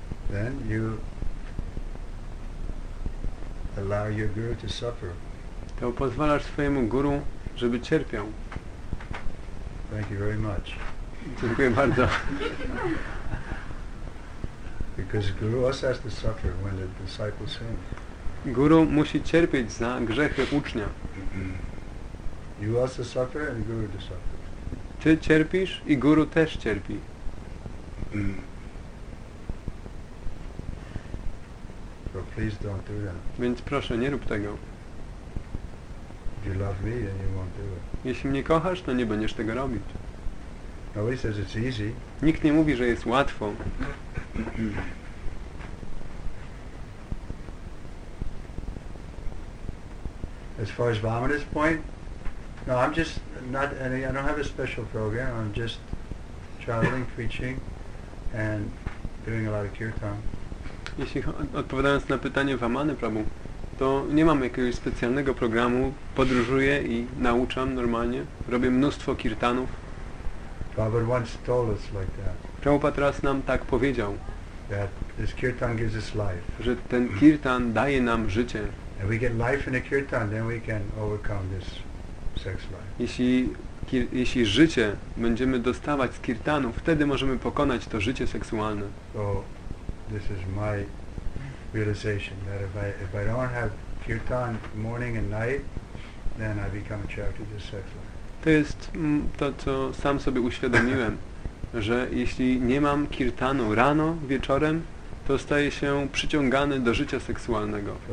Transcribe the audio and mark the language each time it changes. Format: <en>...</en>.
<en>Then you allow your guru to suffer.</en> <pl>To pozwalasz swojemu guru, żeby cierpiał.</pl> <en>Thank you very much.</en> <pl>Dziękuję bardzo.</pl> <en>Because Guru also has to suffer when the disciples sin.</en> <pl>Guru musi cierpieć za grzechy ucznia.</pl> <en>You also suffer and Guru does suffer.</en> <pl>Ty cierpisz i Guru też cierpi.</pl> <en>So please don't do that.</en> <pl>Więc proszę, nie rób tego.</pl> <en>If you love me, then you won't do it.</en> <pl>Jeśli mnie kochasz, to nie będziesz tego robić.</pl> <en>Nobody says it's easy.</en> <pl>Nikt nie mówi, że jest łatwo.</pl> <en>As far as Vamana's point, no, I'm just not any, I don't have a special program, I'm just traveling, preaching and doing a lot of kirtan.</en> <pl>Jeśli odpowiadając na pytanie Vamany Prabhu, to nie mam jakiegoś specjalnego programu, podróżuję i nauczam normalnie, robię mnóstwo kirtanów.</pl> <en>Prabhupada once told us like that.</en> <pl>Prabhupada raz nam tak powiedział,</pl> <en>that this kirtan gives us life.</en> <pl>Że ten kirtan daje nam życie.</pl> <en>If we get life in a kirtan, then we can overcome this sex life.</en> <pl>Jeśli życie będziemy dostawać z kirtanu, wtedy możemy pokonać to życie seksualne.</pl> <en>So, this is my realization that if I don't have kirtan morning and night, then I become attracted to sex life.</en> <pl>To jest to, co sam sobie uświadomiłem, że jeśli nie mam kirtanu rano, wieczorem, to staję się przyciągany do życia seksualnego.</pl>